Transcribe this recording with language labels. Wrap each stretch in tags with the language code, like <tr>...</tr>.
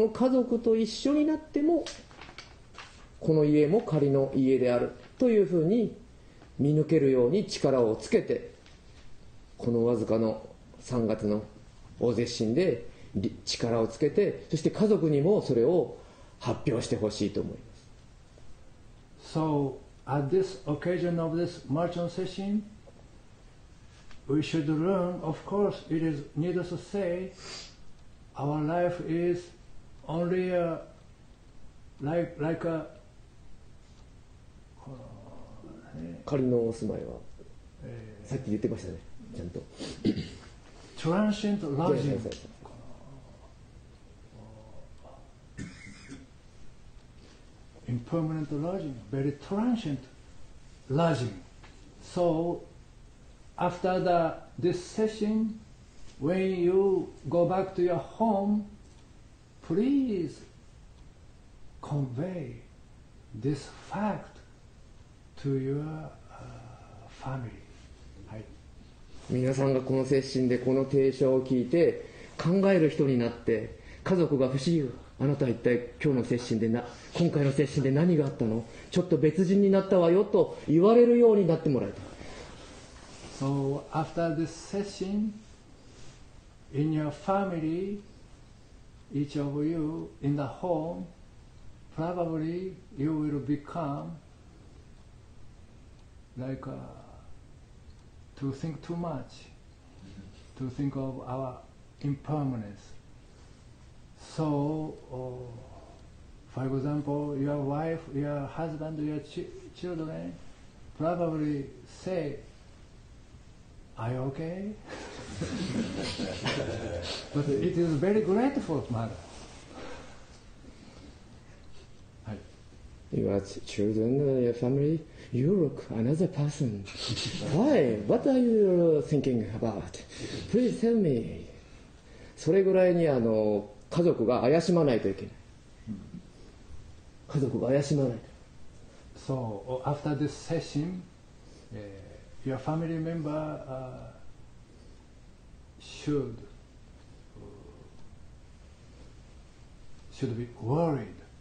<ja>その家族と一緒になってもこの家も仮の家であるというふうに見抜けるように力をつけて、このわずかの3月の大絶身で力をつけて、そして家族にもそれを発表してほしいと思います。</ja> <en>So at this occasion of this merchant session, we should learn, of course it is needless to say, our life is only a like a</en> <ja>仮のお住まいは、さっき言ってましたね、ちゃんと。</ja> <en>Transient lodging. Impermanent lodging, very transient lodging. So, after this session, when you go back to your home, please convey this fact. To your family.</en> <ja>はい、皆さんがこの精神でこの提唱を聞いて考える人になって、家族が不思議、あなたは一体今日の精神で今回の精神で何があったの、ちょっと別人になったわよと言われるようになってもらえた。</ja> <en>So after this session, in your family, each of you in the home, probably you will becomeLike to think too much, to think of our impermanence. So, for example, your wife, your husband, your children probably say, Are you okay? But it is very grateful, mother. Your children, your family, you look another person. Why? What are you thinking about? Please tell me.</en> <ja>それぐらいに家族が怪しまないといけない。家族が怪しまない。</ja> <en>So after this session, your family member should be worried.</en>